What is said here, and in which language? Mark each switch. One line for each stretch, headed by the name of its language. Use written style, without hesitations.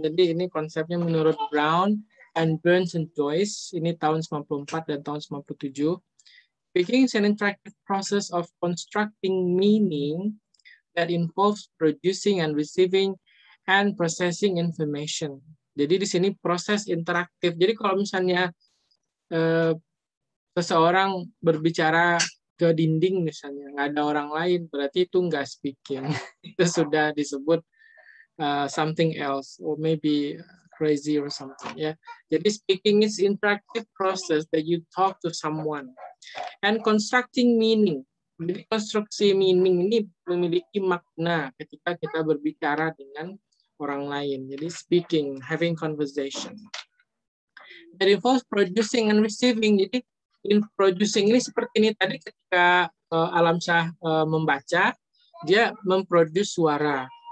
Indonesian: Jadi ini konsepnya menurut Brown and Burns and Joyce, ini tahun 94 dan tahun 97.
English: Speaking is an interactive process of constructing meaning that involves producing and receiving and processing information.
Indonesian: Jadi di sini proses interaktif. Jadi kalau misalnya seseorang berbicara ke dinding misalnya, nggak ada orang lain, berarti itu nggak speaking. Itu sudah disebut
English: something else, or maybe crazy or something. Yeah. Jadi speaking is interactive process that you talk to someone. And constructing meaning.
Indonesian: Jadi konstruksi meaning ini memiliki makna ketika kita berbicara dengan orang lain, jadi speaking, having conversation.
English: That involves producing and receiving.
Indonesian: Jadi in producing ini seperti ini tadi ketika Alamsyah membaca, dia memproduce suara.